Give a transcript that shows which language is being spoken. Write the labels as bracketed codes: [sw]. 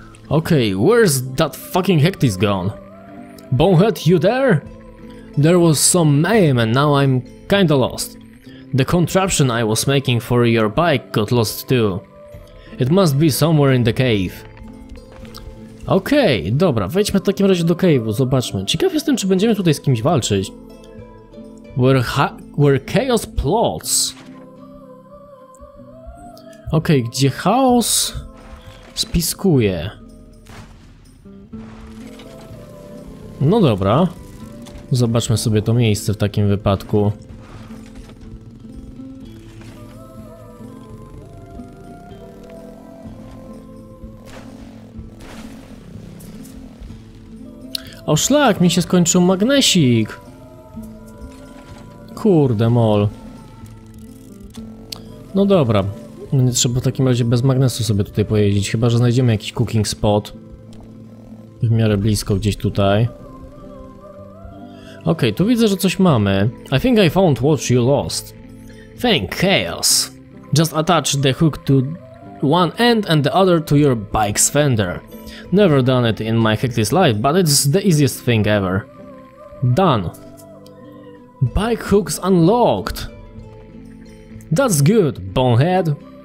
[en] Okay, where's that fucking hectic gone? Bonehead, you there? There was some mayhem and now I'm kinda lost. The contraption I was making for your bike got lost too. It must be somewhere in the cave. [pl] Okay, dobra, wejdźmy w takim razie do cave'u, zobaczmy. Ciekaw jestem, czy będziemy tutaj z kimś walczyć. [en] Where chaos plots. [pl] Okej, okay, gdzie chaos spiskuje. No dobra. Zobaczmy sobie to miejsce w takim wypadku. O szlak, mi się skończył magnesik. Kurde mol. No dobra. Nie trzeba w takim razie bez magnesu sobie tutaj pojeździć. Chyba że znajdziemy jakiś cooking spot. W miarę blisko gdzieś tutaj. Okej, okay, tu widzę, że coś mamy. [en] I think I found what you lost. Thank chaos. Just attach the hook to one end and the other to your bike's fender. Never done it in my hectic life, but it's the easiest thing ever. Done. Bike hooks unlocked. That's good, bonehead.